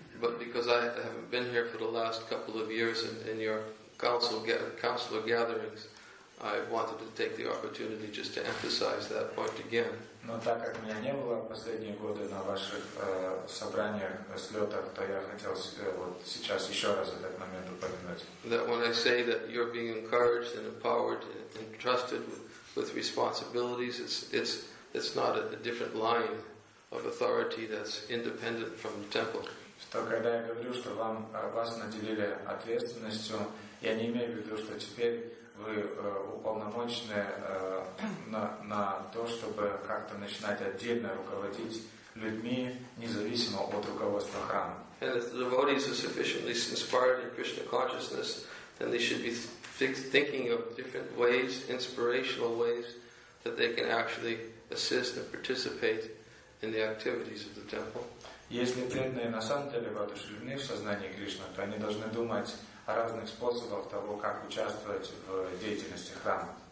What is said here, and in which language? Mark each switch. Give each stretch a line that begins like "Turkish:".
English: But because I haven't been here for the last couple of years in your counselor gatherings, I wanted to take the opportunity just to emphasize that point again.
Russian: Но так как меня не было последние годы на ваших собраниях, слетах, то я хотел вот сейчас еще раз этот момент упомянуть.
English: That when I say that you're being encouraged and empowered and entrusted with responsibilities, it's not a different line of authority that's independent from the temple.
Russian: То когда я говорю, что вас наделили ответственностью, я не имею в виду, что теперь вы уполномочены на то, чтобы как-то начинать отдельно руководить людьми, независимо от руководства храма.
English: And if the devotees are sufficiently inspired in Krishna consciousness, then they should be thinking of different ways, inspirational ways, that they can actually assist and participate in the activities of the temple.
Russian: Если преданные на самом деле воодушевлены в сознании Кришны, то они должны думать о разных способах того, как участвовать в деятельности храма.